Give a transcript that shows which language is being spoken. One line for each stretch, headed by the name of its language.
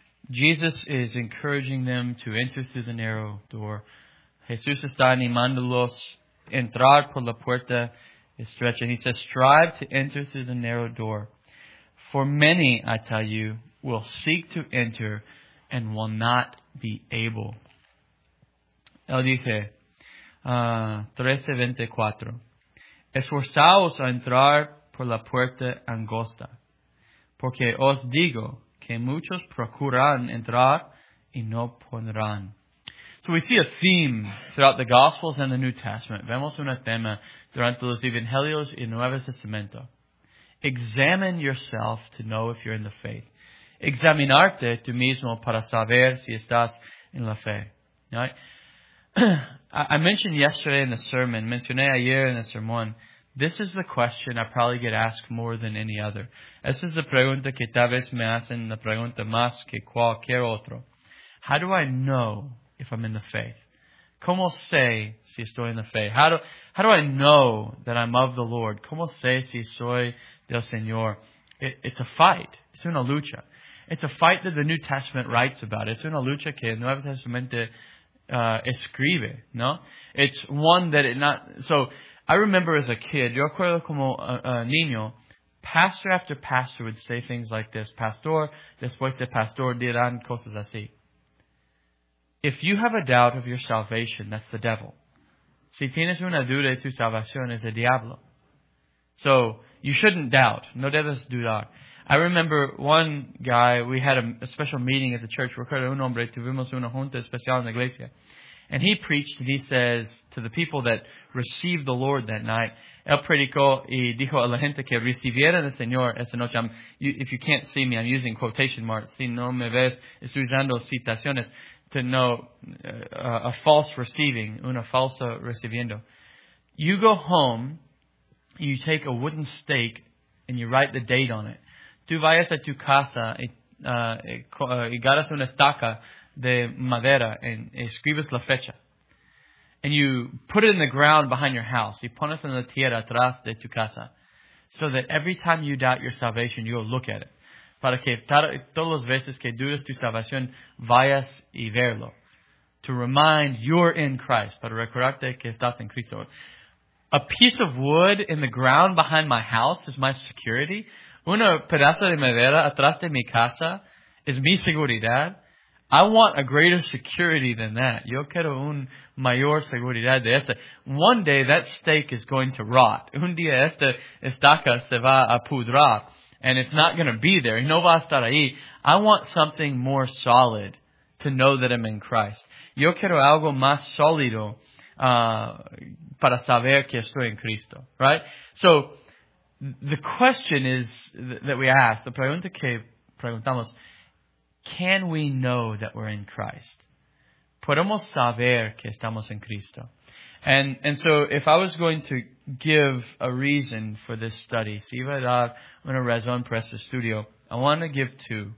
English: Jesus is encouraging them to enter through the narrow door.
Spanish: Jesús está animándolos entrar por la puerta estrecha.
English: He says, strive to enter through the narrow door. For many, I tell you, will seek to enter and will not be able.
Spanish: Él dice, 13:24. Esforzaos a entrar por la puerta angosta, porque os digo que muchos procuran entrar y no podrán.
English: So we see a theme throughout the Gospels and the New Testament.
Spanish: Vemos un tema durante los Evangelios y Nuevo Testamento.
English: Examine yourself to know if you're in the faith.
Spanish: Examinarte tú mismo para saber si estás en la fe.
English: Right? I mentioned yesterday in the sermon,
Spanish: mencioné ayer en el sermón,
English: this is the question I probably get asked more than any other.
Spanish: Esta es la pregunta que tal vez me hacen, la pregunta más que cualquier otro.
English: How do I know if I'm in the faith?
Spanish: ¿Cómo sé si estoy en la fe?
English: How do I know that I'm of the Lord?
Spanish: ¿Cómo sé si soy del Señor?
English: It's a fight. It's
Spanish: una lucha.
English: It's a fight that the New Testament writes about.
Spanish: It's una lucha que el Nuevo Testamento escribe, ¿no?
English: It's one that it not... So, I remember as a kid,
Spanish: yo recuerdo como niño,
English: pastor after pastor would say things like this.
Spanish: Pastor, después de pastor, dirán cosas así.
English: If you have a doubt of your salvation, that's the devil.
Spanish: Si tienes una duda de tu salvación, es el diablo.
English: So, you shouldn't doubt.
Spanish: No debes dudar.
English: I remember one guy, we had a special meeting at the church.
Spanish: Recuerdo un hombre, tuvimos una junta especial en la iglesia.
English: And he preached, and he says to the people that received the Lord that night,
Spanish: él predicó y dijo a la gente que recibieran al Señor esa noche.
English: If you can't see me, I'm using quotation marks.
Spanish: Si no me ves, estoy usando citaciones.
English: To know a false receiving,
Spanish: una falsa recibiendo.
English: You go home, you take a wooden stake, and you write the date on it.
Spanish: Tú vayas a tu casa y agarras una estaca de madera y escribes la fecha.
English: And you put it in the ground behind your house.
Spanish: Y pones en la tierra atrás de tu casa.
English: So that every time you doubt your salvation, you go look at it.
Spanish: Para que todas las veces que dudas tu salvación, vayas y verlo.
English: To remind you're in Christ.
Spanish: Para recordarte que estás en Cristo.
English: A piece of wood in the ground behind my house is my security.
Spanish: Una pedazo de madera atrás de mi casa es mi seguridad.
English: I want a greater security than that.
Spanish: Yo quiero un mayor seguridad de esta.
English: One day that stake is going to rot.
Spanish: Un día esta estaca se va a pudrar.
English: And it's not going to be there.
Spanish: No va a estar ahí.
English: I want something more solid to know that I'm in Christ.
Spanish: Yo quiero algo más sólido para saber que estoy en Cristo.
English: Right? So, the question is that we ask, the
Spanish: pregunta que preguntamos,
English: can we know that we're in Christ?
Spanish: ¿Podemos saber que estamos en Cristo?
English: And so if I was going to give a reason for this study,
Spanish: si iba a dar una razón para este estudio,
English: I want to give two.